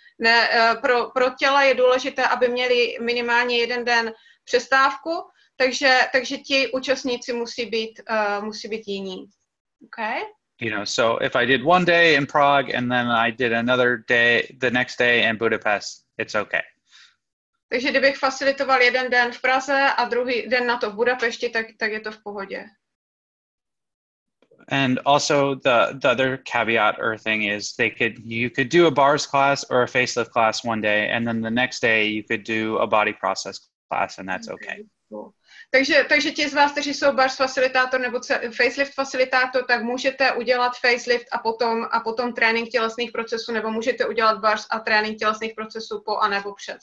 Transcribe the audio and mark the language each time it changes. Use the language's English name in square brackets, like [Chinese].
[Czech] Ne, pro těla je důležité, aby měli minimálně jeden den přestávku, takže ti účastníci musí být jiní. [English] Okay? You know, so if I did one day in Prague and then I did another day the next day in Budapest, it's okay. [Czech] Takže kdybych facilitoval jeden den v Praze a druhý den na to v Budapešti, tak je to v pohodě. [English] And also the other caveat or thing is you could do a bars class or a facelift class one day and then the next day you could do a body process class and that's okay. [Czech] Takže ti z vás, kteří jsou bars facilitátor nebo facelift facilitátor, tak můžete udělat facelift a potom trénink tělesných procesů, nebo můžete udělat bars a trénink tělesných procesů po a nebo před.